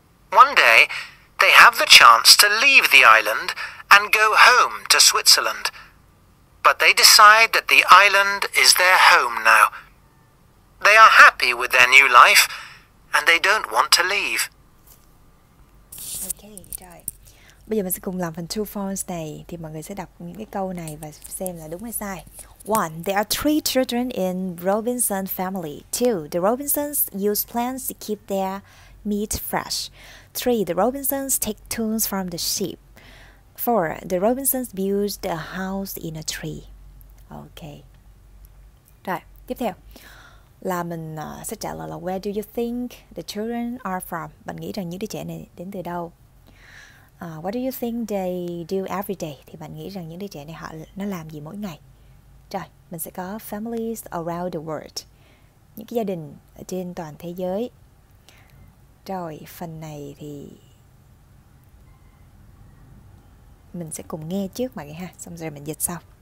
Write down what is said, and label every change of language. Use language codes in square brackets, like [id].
[en] One day, they have the chance to leave the island and go home to Switzerland. But they decide that the island is their home now. They are happy with their new life and they don't want to leave. [vi] Ok, rồi. Bây giờ mình sẽ cùng làm phần true false này. Thì mọi người sẽ đọc những cái câu này và xem là đúng hay sai. [en] 1. There are 3 children in Robinson family. 2. The Robinsons use plants to keep their meat fresh. 3. The Robinsons take tools from the sheep. 4. The Robinsons build a house in a tree. [vi] Ok. Rồi, tiếp theo là mình sẽ trả lời là [en] where do you think the children are from? [vi] Bạn nghĩ rằng những đứa trẻ này đến từ đâu? [en] What do you think they do every day? [vi] Thì bạn nghĩ rằng những đứa trẻ này nó làm gì mỗi ngày? Rồi, mình sẽ có [en] families around the world. [vi] Những cái gia đình ở trên toàn thế giới. Rồi, phần này thì mình sẽ cùng nghe trước mọi người ha, xong rồi mình dịch sau.